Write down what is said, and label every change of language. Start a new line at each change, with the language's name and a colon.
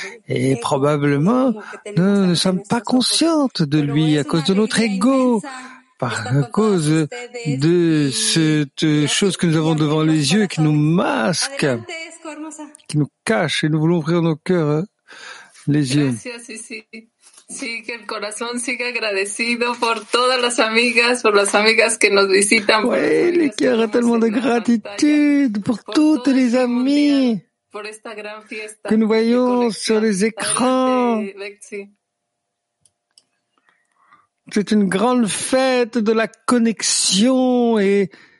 French: Et probablement, nous ne sommes pas conscientes de lui à cause de notre ego. Par cause de cette chose que nous avons devant les yeux et qui nous masque, qui nous cache et nous voulons ouvrir nos cœurs, les yeux.
Spanish: Sí, que el corazón siga agradecido por todas las amigas que nos visitan.
French: Oui, le cœur a tellement de gratitude pour toutes les amies que nous voyons sur les écrans. C'est une grande fête de la connexion et.